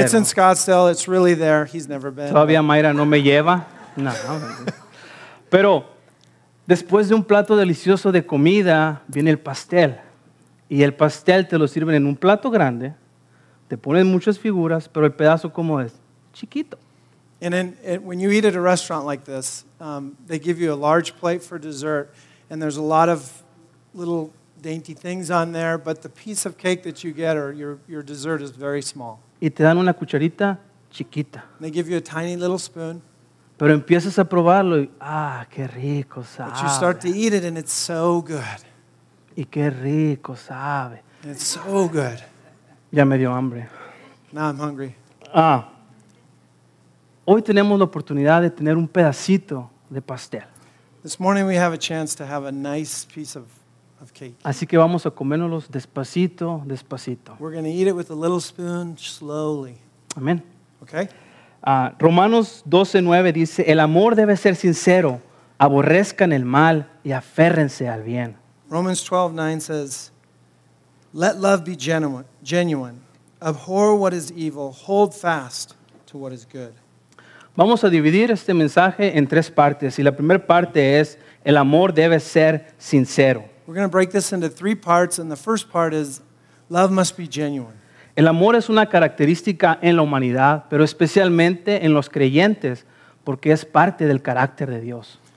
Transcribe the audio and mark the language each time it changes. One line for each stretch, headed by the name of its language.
English: It's in Scottsdale, it's really there, he's never been.
Spanish: Todavía Mayra no me lleva. No. Pero después de un plato delicioso de comida, viene el pastel. Y el pastel te lo sirven en un plato grande, te ponen muchas figuras, pero el pedazo, ¿cómo es? Chiquito.
English: And then when you eat at a restaurant like this, they give you a large plate for dessert, and there's a lot of little dainty things on there, but the piece of cake that you get or your dessert is very small.
Spanish: Y te dan una cucharita chiquita.
English: And they give you a tiny little spoon.
Spanish: Pero empiezas a probarlo y, ah, qué rico sabe.
English: But you start to eat it and it's so good.
Spanish: Y qué rico sabe.
English: And it's so good.
Spanish: Ya me dio hambre.
English: Now I'm hungry. Ah.
Spanish: Hoy tenemos la oportunidad de tener un pedacito de pastel.
English: This morning we have a chance to have a nice piece of cake.
Spanish: Así que vamos a comérnoslo despacito, despacito.
English: We're going to eat it with a little spoon, slowly.
Spanish: Amén.
English: Okay.
Spanish: Romanos 12:9 dice, el amor debe ser sincero, aborrezcan el mal y aférrense al bien.
English: Romans 12:9 says, let love be genuine, abhor what is evil, hold fast to what is good.
Spanish: Vamos a dividir este mensaje en tres partes. Y la primera parte es, el amor debe ser sincero.
English: We're going to break this into three parts, and the first part is, love must be genuine.
Spanish: El amor es una característica en la humanidad, pero especialmente en los creyentes, porque es parte del carácter de Dios.